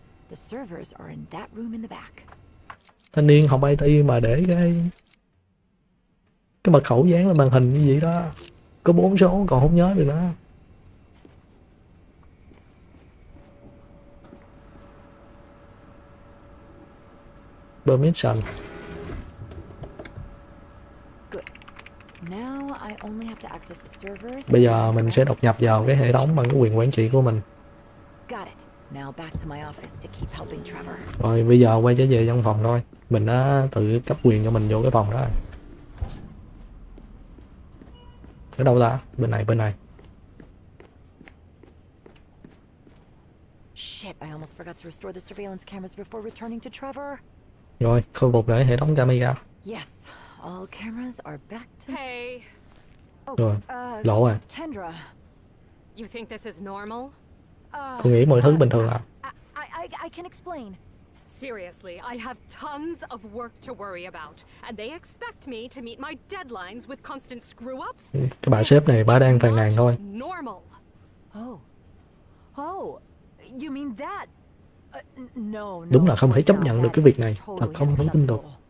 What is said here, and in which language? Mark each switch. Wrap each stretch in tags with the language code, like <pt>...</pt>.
<en>The servers are in that room in the back.</en> <vi>Thanh niên học IT mà để cái mật khẩu dán lên màn hình như vậy đó, có 4 số còn không nhớ được nữa.</vi> <en>Permission. Now I only have to access the servers</en> <vi>Bây giờ mình sẽ đột nhập vào cái hệ thống bằng cái quyền quản trị của mình.</vi> <en>Got it. Now back to my office to keep helping Trevor.</en> <vi>Rồi bây giờ quay trở về trong phòng thôi. Mình đã tự cấp quyền cho mình vô cái phòng đó rồi. Ở đâu ta? Bên này, bên này.</vi> <en>Shit, I almost forgot to restore the surveillance cameras before returning to Trevor.</en> <vi>Rồi, khôi phục lại hệ thống camera.</vi> <en>Yes, all cameras are back to... Hey.</en> <vi>Rồi, lỗ rồi.</vi> <en>Kendra. You think this is normal?</en> <vi>Cô nghĩ mọi thứ bình thường à?</vi> <en>I can explain. Seriously, I have tons of work to worry about, and they expect me to meet my deadlines with constant screw-ups.</en> <vi>Cái bà sếp này bà đang phàn nàn thôi.</vi> <en>Normal. Oh. Oh, You mean that? No,</en> <vi>đúng là không thể chấp nhận được cái việc này, thật không thể tin được.</vi>